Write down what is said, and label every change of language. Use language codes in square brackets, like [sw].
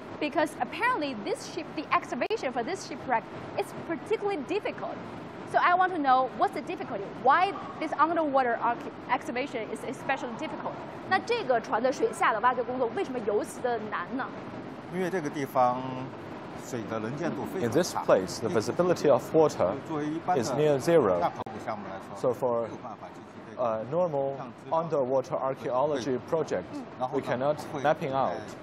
[en] Because apparently this ship, the excavation for this shipwreck, is particularly difficult. So I want to know what's the difficulty, why this underwater excavation is especially difficult. [zh] 那这个船的水下的挖掘工作为什么如此的难呢？因为这个地方水的能见度非常差。 [en] In this place, the visibility of water is near zero. So for a normal underwater archaeology project, we cannot mapping out.